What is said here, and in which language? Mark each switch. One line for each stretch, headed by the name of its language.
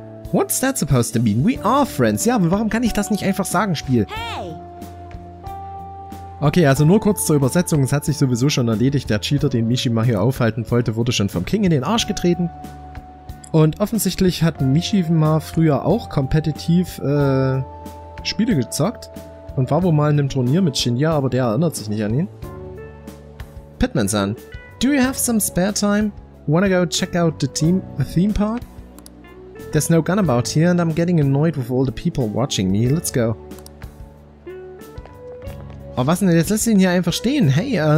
English: What's that supposed to mean? We are friends.
German: Ja, aber warum kann ich das nicht einfach sagen, Spiel?
English: Hey!
German: Okay, also nur kurz zur Übersetzung. Es hat sich sowieso schon erledigt. Der Cheater, den Mishima hier aufhalten wollte, wurde schon vom King in den Arsch getreten. Und offensichtlich hat Mishima früher auch kompetitiv Spiele gezockt. Und war wohl mal in einem Turnier mit Shinya, aber der erinnert sich nicht an ihn.
English: Pitman-san, do you have some spare time? Wanna go check out the theme park? There's no gun about here and I'm getting annoyed with all the people watching me. Let's go.
German: Oh, was denn? Jetzt lässt ihn hier einfach stehen. Hey,